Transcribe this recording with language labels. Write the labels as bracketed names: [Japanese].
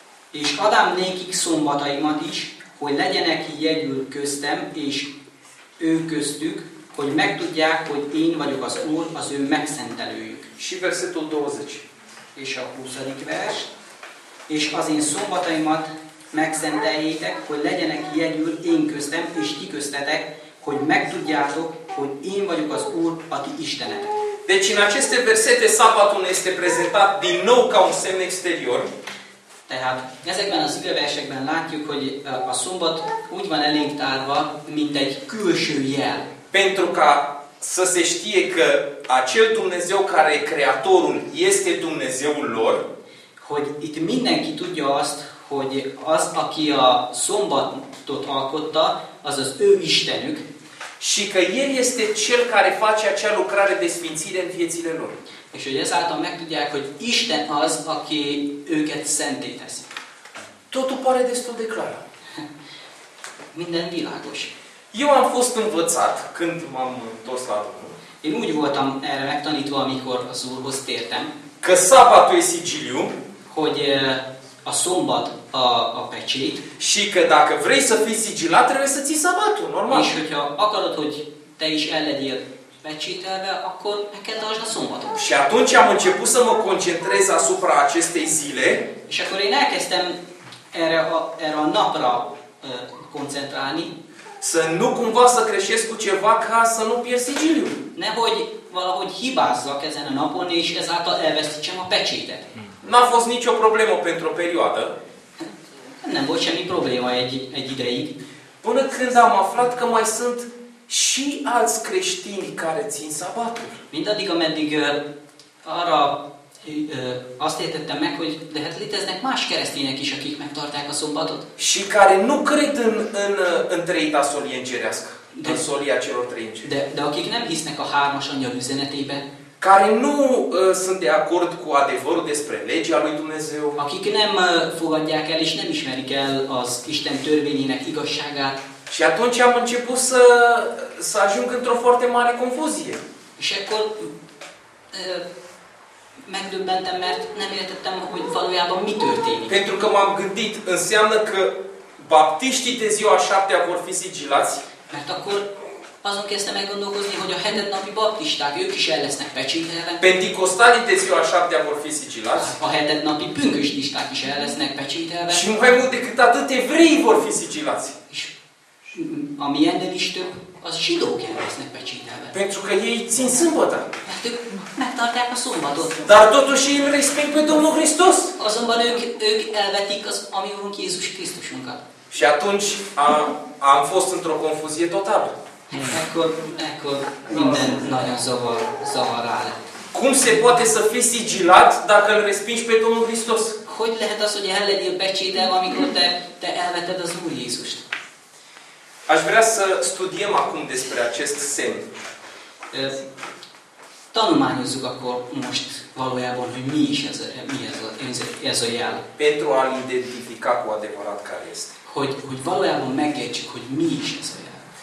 [Hungarian] És adám nékik szombataimat is, hogy legyenek jegyül köztem, és ő köztük, hogy megtudják, hogy én vagyok az Úr, az ő megszentelőjük. [Romanian] Și versetul 20. [Hungarian] És a 20. vers. És az én szombataimat megszenteljétek, hogy legyenek jegyül én köztem és ti köztetek, hogy megtudjátok, hogy én vagyok az Úr, a ti Istenetek. [Romanian] Deci în aceste versete sabatul este prezentat din nou ca un semn exterior. [Hungarian] Tehát ezekben az igeversekben látjuk, hogy a szombat úgy van elénktárva, mint egy külső jel. [Romanian] Pentru ca să se știe că acel Dumnezeu care e creatorul este Dumnezeul lor, [Hungarian] hogy itt mindenki tudja azt, hogy az, aki a szombatot alkotta, az az ő istenük. [Romanian] Și că el este cel care face acea lucrare de sfințire în viețile lor. [Hungarian] És hogy ezáltal megtudják, hogy Isten az, aki őket szenté teszi. [Romanian] Totul pare destul de clar. [Hungarian] Minden világos. [Romanian] Eu am fost învățat când m-am întors la Domnul. [Hungarian] Én úgy voltam erre megtanítva, amikor az Úrhoz tértem. [Romanian] Că sabatul e sigiliu. [Hungarian] Hogy a szombat a pecsét. [Romanian] Și că dacă vrei să fii sigilat, trebuie să ții sabatul, normal. [Hungarian] És hogyha akarod, hogy te is el legyél pecsételve, akkor meg kell tartsd a szombatot. [Romanian] Și atunci am început să mă concentrez asupra acestei zile. [Hungarian] És akkor én elkezdtem erre a napra koncentrálni. [Romanian] Să nu cumva să creșesc cu ceva ca să nu pierd sigiliu. [Hungarian] Nehogy valahogy hibázzak ezen a napon, és ezáltal elvesztítsem a pecsétet. [Romanian] N-a fost nicio problemă pentru o perioadă. [Hungarian] Nem volt semmi probléma egy ideig. [Romanian] Până când am aflat că mai sunt și alți creștini care țin sabatul. [Hungarian] Mindaddig, ameddig arra azt értettem meg, hogy lehet léteznek más keresztények is, akik megtartják a szombatot. [Romanian] Și care nu cred în treita solie îngerească. De solia celor trei îngeri. [Hungarian] De akik nem hisznek a hármas angyal üzenetébe. [Romanian] Care nu sunt de acord cu adevărul despre legea lui Dumnezeu. [Hungarian] Akik nem fogadják el és nem ismerik el az Isten törvényének igazságát. [Romanian] Și atunci am început să ajung într-o foarte mare confuzie. Și [Hungarian] akkor megdöbbentem, mert nem értettem, hogy valójában mi történik. [Romanian] Pentru că m-am gândit, înseamnă că baptiștii de ziua șaptea vor fi sigilați. [Hungarian] Mert akkor azon kezdtem meggondolkozni, hogy a hetednapi baptisták, ők is el lesznek pecsételve. [Romanian] Pentecostalii de ziua șaptea vor fi sigilați. [Hungarian] A hetednapi pünkösdisták is el lesznek pecsételve. [Romanian] Și mai mult decât atât, evreii vor fi sigilați. [Hungarian] Ami ennél is több, az zsidók el lesznek pecsételve. [Romanian] Pentru că ei țin sâmbătă. [Hungarian] Mert ők megtartják a szombatot. [Romanian] Dar totuși îl respect pe Domnul Hristos. [Hungarian] Azonban ők elvetik az ami Urunk Jézus Krisztusunkat. [Romanian] Și atunci am fost într-o confuzie totală. [Hungarian] Ekkor minden nagyon zavar rá lett. [Romanian] Cum se poate să fii sigilat dacă îl respingi pe Domnul Hristos? [Hungarian] Hogy lehet az, hogy el legyél pecsételve, amikor te elveted az Úr Jézust? [Romanian] Aș vrea să studiem acum despre acest semn. [Hungarian] Tanulmányozzuk akkor most valójában, hogy mi is ez a jel. [Romanian] Pentru a-l identifica cu adevărat care este. [Hungarian] Hogy valójában megértsük, hogy mi is ez a jel.